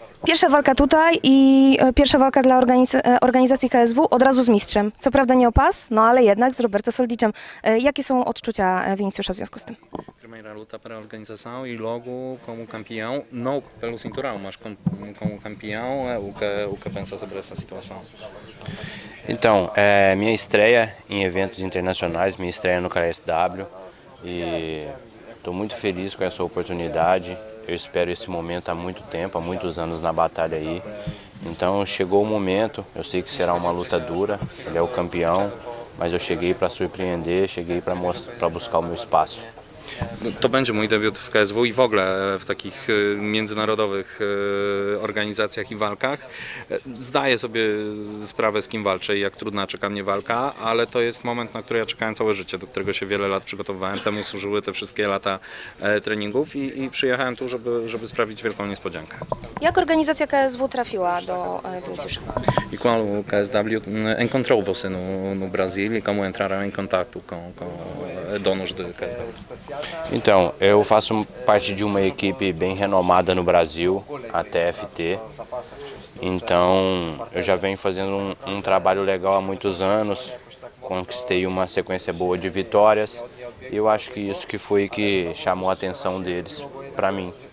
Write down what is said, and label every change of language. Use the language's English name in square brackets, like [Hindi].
[Polish] Pierwsza walka tutaj i pierwsza walka dla organizacji KSW od razu z mistrzem. Co prawda nie o pas, no ale jednak z Roberto Soldiczem. Jakie są odczucia Viniciusza w związku z tym? [Portuguese] Primeira luta para a organização e logo como campeão, não pelo cinturão, mas como campeão, é o que pensa sobre essa situação? Então, é minha estreia em eventos internacionais, minha estreia no KSW e estou muito feliz com essa oportunidade. Eu espero esse momento há muito tempo, há muitos anos na batalha aí. Então chegou o momento, eu sei que será uma luta dura, ele é o campeão, mas eu cheguei para surpreender, cheguei para buscar o meu espaço. [Polish] To będzie mój debiut w KSW i w ogóle w takich międzynarodowych organizacjach i walkach. Zdaję sobie sprawę, z kim walczę i jak trudna czeka mnie walka, ale to jest moment, na który ja czekałem całe życie, do którego się wiele lat przygotowywałem. Temu służyły te wszystkie lata treningów i przyjechałem tu, żeby sprawić wielką niespodziankę. Jak organizacja KSW trafiła do Viniciusza? [Portuguese] E qual o KSW encontrou você no Brasil e como entraram em contato com donos do KSW? Então, eu faço parte de uma equipe bem renomada no Brasil, a TFT. Então, eu já venho fazendo um trabalho legal há muitos anos, conquistei uma sequência boa de vitórias e eu acho que isso que foi que chamou a atenção deles para mim.